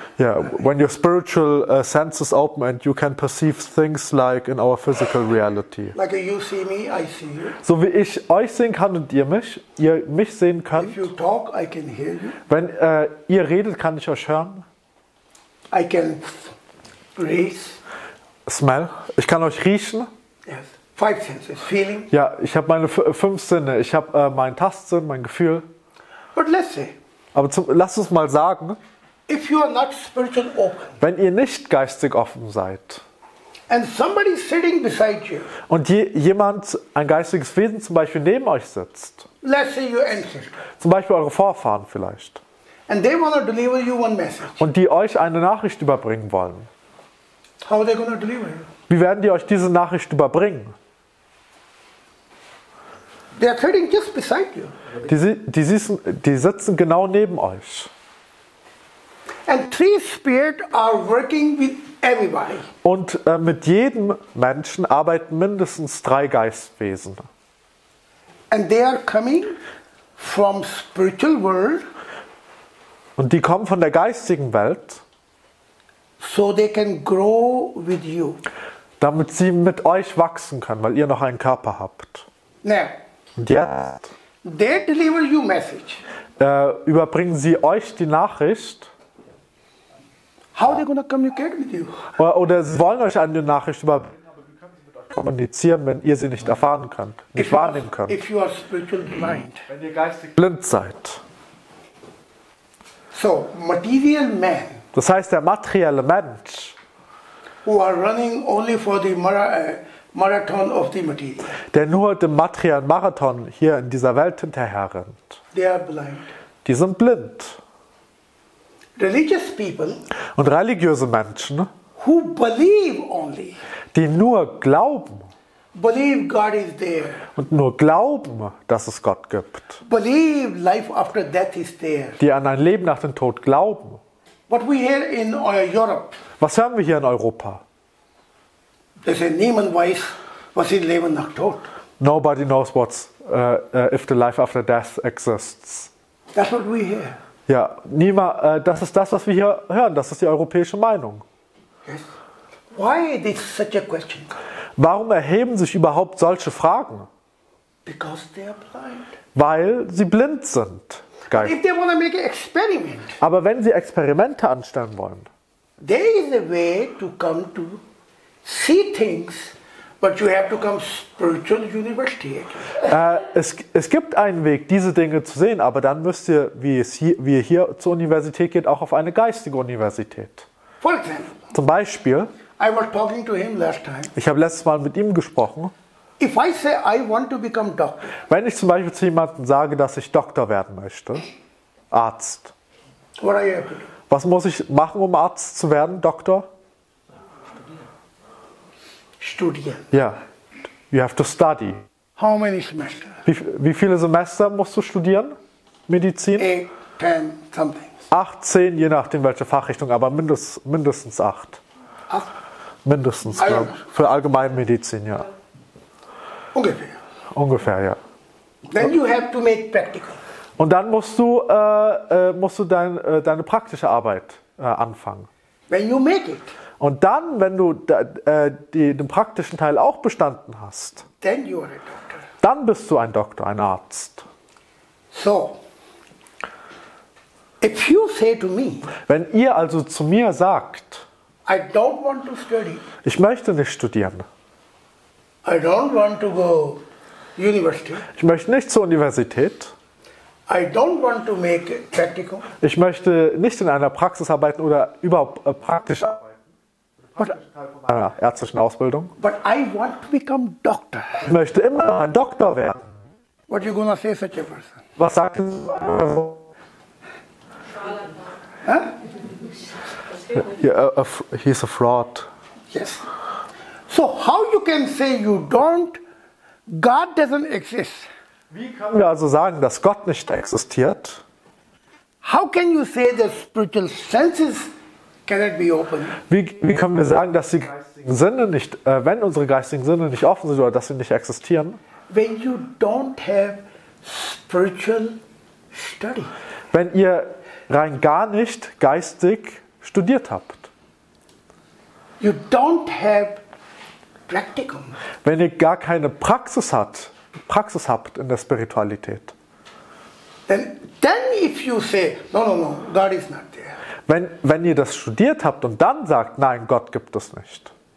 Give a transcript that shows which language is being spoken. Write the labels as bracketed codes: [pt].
[en] Yeah, when your spiritual senses open and you can perceive things like in our physical reality. Like you see me, I see you. [de] So wie ich euch sehen kann und ihr mich sehen könnt. [en] If you talk, I can hear you. [de] Wenn ihr redet, kann ich euch hören. [en] I can breathe. Smell. [de] Ich kann euch riechen. [en] Yes. Five senses, feeling. [de] Ja, ich habe meine fünf Sinne. Ich habe meinen Tastsinn, mein Gefühl. [en] But let's say, [de] aber lass uns mal sagen, [en] if you are not spiritual open, [de] wenn ihr nicht geistig offen seid [en] and somebody sitting beside you, [de] und jemand, ein geistiges Wesen zum Beispiel, neben euch sitzt, [en] let's say your ancestors, [de] zum Beispiel eure Vorfahren vielleicht, [en] and they wanna deliver you one message, [de] und die euch eine Nachricht überbringen wollen, [en] how are they gonna deliver you? [de] Wie werden die euch diese Nachricht überbringen? [en] They are sitting just beside you. [de] Die sitzen genau neben euch. [en] And three spirits are working with everybody. [de] Und mit jedem Menschen arbeiten mindestens drei Geistwesen. [en] And they are coming from spiritual world. [de] Und die kommen von der geistigen Welt. [en] So they can grow with you. [de] Damit sie mit euch wachsen können, weil ihr noch einen Körper habt. [en] Now, [de] und jetzt [en] they deliver you message. [de] Überbringen sie euch die Nachricht. [en] How they gonna communicate with you? [de] Oder sie wollen euch eine Nachricht kommunizieren, wenn ihr sie nicht erfahren könnt, nicht wahrnehmen könnt. [en] If you are spiritual blind. [de] Wenn ihr geistig blind seid. [en] So, material man. [de] Das heißt, der materielle Mensch, [en] who are running only for the marathon of the material, [de] der nur dem materiellen Marathon hier in dieser Welt hinterherrennt, [en] they are blind. [de] Die sind blind. [en] Religious people, [de] und religiöse Menschen, [en] who believe only, [de] die nur glauben, [en] believe God is there, [de] und nur glauben, dass es Gott gibt, [en] believe life after death is there, [de] die an ein Leben nach dem Tod glauben. [en] What we hear in Europe? [de] Was hören wir hier in Europa? [en] They say [de] niemand weiß, was im Leben nach Tod. [en] Nobody knows what's if the life after death exists. That's what we hear. [de] Ja, das ist das, was wir hier hören. Das ist die europäische Meinung. [en] Yes. Why is such a question? [de] Warum erheben sich überhaupt solche Fragen? [en] Because they are blind. [de] Weil sie blind sind. Geil. [en] If they want to make an experiment, [de] aber wenn sie Experimente anstellen wollen, [en] there is a way to come to see things, but you have to come spiritual university. [de] Es gibt einen Weg, diese Dinge zu sehen, aber dann müsst ihr, wie ihr hier zur Universität geht, auch auf eine geistige Universität. [en] For example, [de] zum Beispiel, [en] I was talking to him last time. [de] Ich habe letztes Mal mit ihm gesprochen. [en] If I say I want to become doctor, [de] wenn ich zum Beispiel zu jemandem sage, dass ich Doktor werden möchte, Arzt, [en] what are you able to do? [de] Was muss ich machen, um Arzt zu werden, Doktor? Studieren. [en] Ja, you have to study. How many semesters? [de] Wie viele Semester musst du studieren, Medizin? [en] 8, 10, something. [de] 8, 10, je nachdem welche Fachrichtung, aber mindestens 8. Mindestens, glaube ich, für Allgemeinmedizin, ja. Ungefähr, ja. [en] Then you have to make practical. [de] Und dann musst du deine praktische Arbeit anfangen. [en] When you make it. [de] Und dann, wenn du den praktischen Teil auch bestanden hast, [en] then you are a doctor. [de] Dann bist du ein Doktor, ein Arzt. [en] So, if you say to me, [de] wenn ihr also zu mir sagt, [en] I don't want to study. [de] Ich möchte nicht studieren. [en] I don't want to go university. [de] Ich möchte nicht zur Universität. [en] I don't want to make practical. [de] Ich möchte nicht in einer Praxis arbeiten oder überhaupt praktisch arbeiten. Einer ärztlichen Ausbildung. [en] But I want to become doctor. [de] Ich möchte immer ein Doktor werden. [en] What are you gonna say, such a person? [de] Was sagt ihr? [en] He's a fraud. Yes. So how you can say you don't, God doesn't exist? [de] Wie können wir also sagen, dass Gott nicht existiert? [en] How can you say that spiritual senses cannot be open? [de] Wie können wir sagen, dass die geistigen Sinne nicht, wenn unsere geistigen Sinne nicht offen sind oder dass sie nicht existieren? [en] When you don't have spiritual study. [de] Wenn ihr rein gar nicht geistig studiert habt. [en] You don't have Praktikum. [de] Wenn ihr gar keine Praxis habt in der Spiritualität. [en] Then if you say, no, God is not there. [de] Wenn ihr das studiert habt und dann sagt, nein, Gott gibt es nicht.